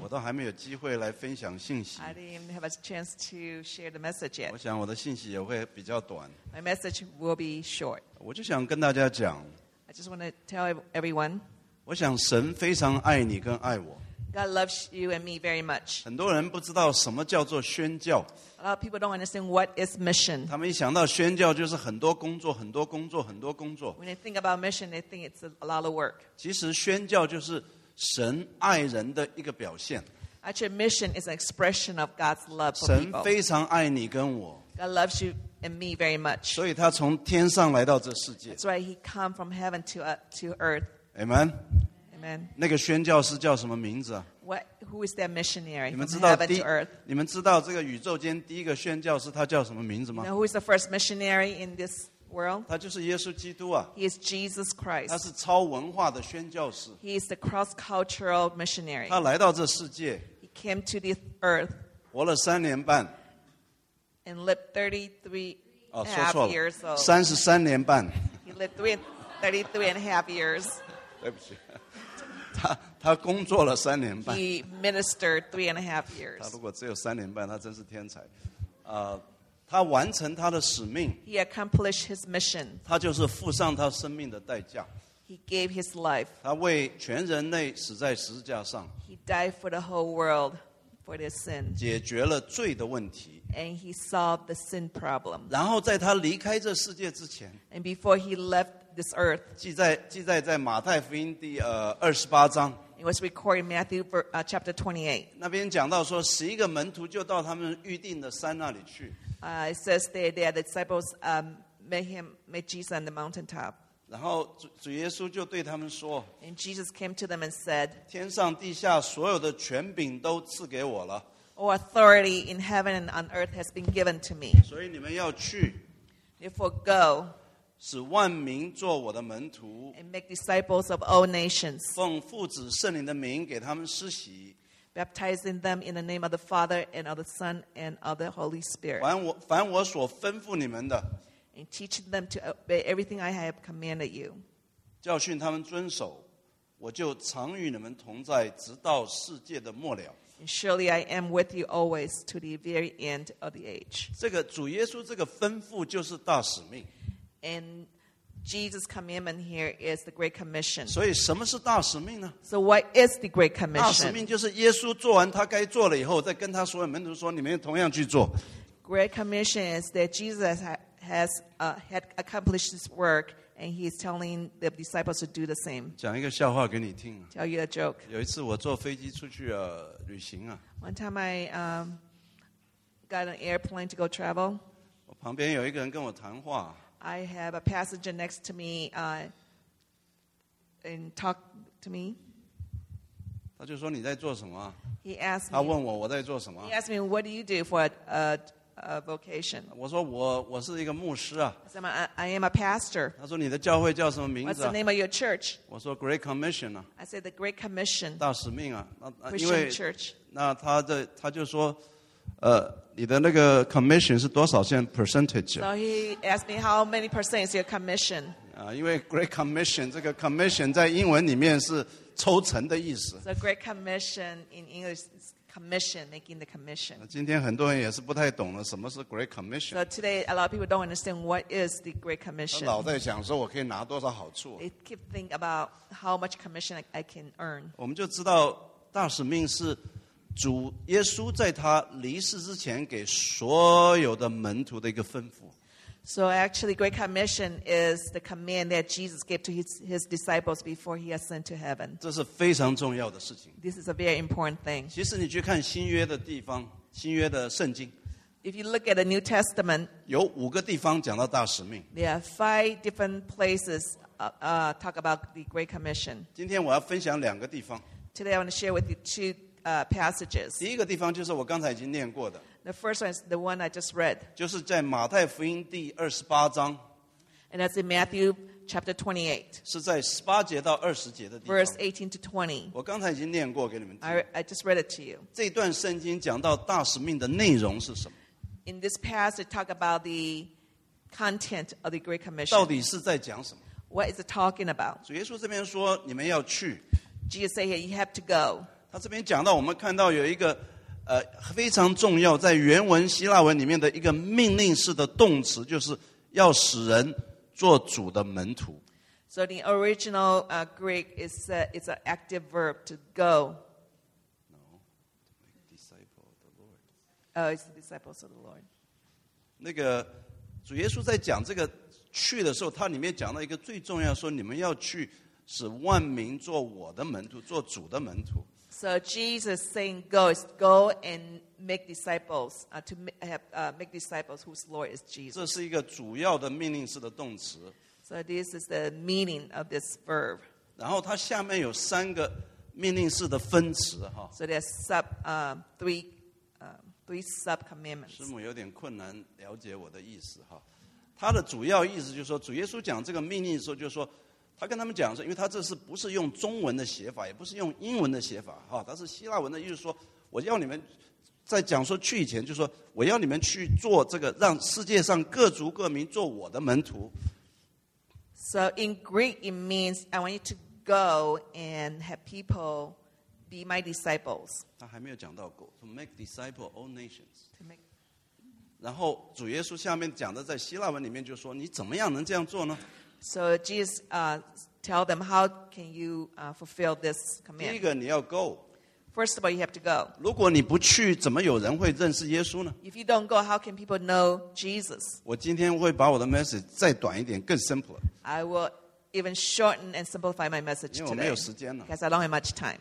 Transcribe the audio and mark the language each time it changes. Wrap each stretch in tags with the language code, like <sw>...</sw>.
<zh>我都还没有机会来分享信息。</zh> <en>I didn't even have a chance to share the message yet.</en> <zh>我想我的信息也会比较短。</zh> <en>My message will be short.</en> <zh>我就想跟大家讲。</zh> <en>I just want to tell everyone.</en> <zh>我想神非常爱你跟爱我。</zh> <en>God loves you and me very much.</en> <zh>很多人不知道什么叫做宣教。</zh> <en>A lot of people don't understand what is mission.</en> <zh>他们一想到宣教就是很多工作，很多工作，很多工作。</zh> <en>When they think about mission, they think it's a lot of work.</en> <zh>其实宣教就是神爱人的一个表现。</zh> <en>Actually, mission is an expression of God's love for people.</en> <zh>神非常爱你跟我。</zh> <en>God loves you and me very much.</en> <zh>所以他从天上来到这世界。</zh> <en>That's why he came from heaven to earth. Amen. Amen.</en> <zh>那个宣教师叫什么名字、啊、</zh> <en>Who is that missionary?</en> <zh>你们知道第你们知道这个宇宙间第一个宣教师他叫什么名字吗</zh> <en>you know, Who is the first missionary in this world?</en> <zh>他就是耶稣基督啊</zh> <en>He is Jesus Christ.</en> <zh>他是超文化的宣教师</zh> <en>He is the cross-cultural missionary.</en> <zh>他来到这世界</zh> <en>He came to this earth.</en> <zh>活了三年半</zh> <en>And lived 33 and a half years old.</en> <zh>33年半</zh> <en>He lived 33 and a half years.</en> <zh>对不起他工作了三年半。</zh> <en>He ministered 3.5 years.</en> <zh>他如果只有三年半，他真是天才。他完成他的使命。</zh> <en>He accomplished his mission.</en> <zh>他就是付上他生命的代价。</zh> <en>He gave his life.</en> <zh>他为全人类死在十字架上。</zh> <en>He died for the whole world for their sin.</en> <zh>解决了罪的问题。</zh> <en>And he solved the sin problem.</en> <zh>然后在他离开这世界之前。</zh> <en>And before he left. This earth.</en> <zh>记载在马太福音第28章。</zh> <en>It was recorded in Matthew chapter 28.</en> <zh>那边讲到说，十一个门徒就到他们预定的山那里去。</zh> <en>It says that the disciples met Jesus on the mountaintop.</en> <zh>然后主耶稣就对他们说。</zh> <en>And Jesus came to them and said,</en> <zh>天上地下所有的权柄都赐给我了。</zh> <en>All authority in heaven and on earth has been given to me.</en> <zh>所以你们要去。</zh> <en>Therefore go.</en> <zh>使万民做我的门徒</zh> <en>and make disciples of all nations</en> <zh>奉父子圣灵的名给他们施洗</zh> <en>baptizing them in the name of the Father and of the Son and of the Holy Spirit</en> <zh>凡我所吩咐你们的</zh> <en>and teaching them to obey everything I have commanded you</en> <zh>教训他们遵守我就常与你们同在直到世界的末了</zh> <en>and surely I am with you always to the very end of the age</en> <zh>这个主耶稣这个吩咐就是大使命</zh> <en>And Jesus' commandment here is the Great Commission.</en> <zh>所以什么是大使命呢?</zh> <en>So what is the Great Commission?</en> <zh>大使命就是耶稣做完他该做了以后再跟他所有门徒说你们同样去做。</zh> <en>Great Commission is that Jesus had accomplished this work and he's telling the disciples to do the same.</en> <zh>讲一个笑话给你听。</zh> <en>Tell you a joke.</en> <zh>有一次我坐飞机出去旅行啊。</zh> <en>One time I got an airplane to go travel.</en> <zh>我旁边有一个人跟我谈话。</zh> <en>I have a passenger next to me and talk to me.</en> <zh>他就说你在做什么?</zh> <en>He asked me,</en> <zh>他问我我在做什么?</zh> <en>He asked me, what do you do for a vocation?</en> <zh>我说我是一个牧师啊。</zh> <en>I said, I am a pastor.</en> <zh>他说你的教会叫什么名字?</zh> <en>What's the name of your church?</en> <zh>我说 Great Commission 啊。</zh> <en>I said, the Great Commission.</en> <zh>大使命啊。</zh> <en>Christian Church.</en> <zh>那他就说你的那个 commission 是多少现 percentage?</zh> <en>So he asked me how many percent is your commission?</en> <zh>因为 great commission, 这个 commission 在英文里面是抽成的意思。</zh> <en>So great commission in English is commission, making the commission.</en> <zh>今天很多人也是不太懂了什么是 great commission.</zh> <en>So today a lot of people don't understand what is the great commission.</en> <zh>老在想说我可以拿多少好处。</zh> <en>They keep thinking about how much commission I can earn.</en> <zh>我们就知道大使命是主耶稣在他离世之前给所有的门徒的一个吩咐。</zh> <en>So actually, Great Commission is the command that Jesus gave to his disciples before he ascended to heaven.</en> <zh>这是非常重要的事情。</zh> <en>This is a very important thing.</en> <zh>其实你去看新约的地方，新约的圣经。</zh> <en>If you look at the New Testament,</en> <zh>有五个地方讲到大使命。</zh> <en>There are 5 different places talk about the Great Commission.</en> <zh>今天我要分享两个地方。</zh> <en>Today I want to share with you two. Passages.</en> <zh>第一个地方就是我刚才已经念过的。</zh> <en>The first one is the one I just read.</en> <zh>就是在马太福音第28章。</zh> <en>And that's in Matthew chapter 28.</en> <zh>是在18节到20节的地方。</zh> <en>Verse 18 to 20.</en> <zh>我刚才已经念过给你们听。</zh> <en>I just read it to you.</en> <zh>这段圣经讲到大使命的内容是什么?</zh> <en>In this passage, talk about the content of the Great Commission.</en> <zh>到底是在讲什么？</zh> <en>What is it talking about?</en> <zh>主耶稣这边说你们要去。</zh> <en>Jesus said here, you have to go.</en> <zh>他这边讲到我们看到有一个非常重要在原文希腊文里面的一个命令式的动词就是要使人做主的门徒。</zh> <en>So the original Greek is it's an active verb to go. No, to make disciples of the Lord. Oh, it's the disciples of the Lord.</en> <zh>那个主耶稣在讲这个去的时候，他里面讲到一个最重要，说你们要去使万民做我的门徒，做主的门徒。</zh> <en>So Jesus saying go is go and make disciples to make disciples whose Lord is Jesus.</en> <zh>这是一个主要的命令式的动词。</zh> <en>So this is the meaning of this verb.</en> <zh>然后它下面有三个命令式的分词哈。</zh> <en>So there's three sub commandments.</en> <zh>师母有点困难了解我的意思哈。它的主要意思就是说，主耶稣讲这个命令的时候，就是说，他跟他们讲说，因为他这是不是用中文的写法，也不是用英文的写法哈，他是希腊文的意思说，我要你们在讲说去以前，就是说我要你们去做这个，让世界上各族各民做我的门徒。</zh> <en>So in Greek, it means I want you to go and have people be my disciples.</en> <zh>他还没有讲到</zh> <en>go to make disciple all nations. To make.</en> <zh>然后主耶稣下面讲的在希腊文里面就说你怎么样能这样做呢</zh> <en>？So Jesus tell them how can you fulfill this command?</en> <zh>第一个你要 go.</zh> <en>First of all, you have to go.</en> <zh>如果你不去，怎么有人会认识耶稣呢</zh> <en>？If you don't go, how can people know Jesus?</en> <zh>我今天会把我的 message 再短一点，更 simple。</zh> <en>I will even shorten and simplify my message today.</en> <zh>因为我没有时间了。</zh> <en>Because I don't have much time.</en>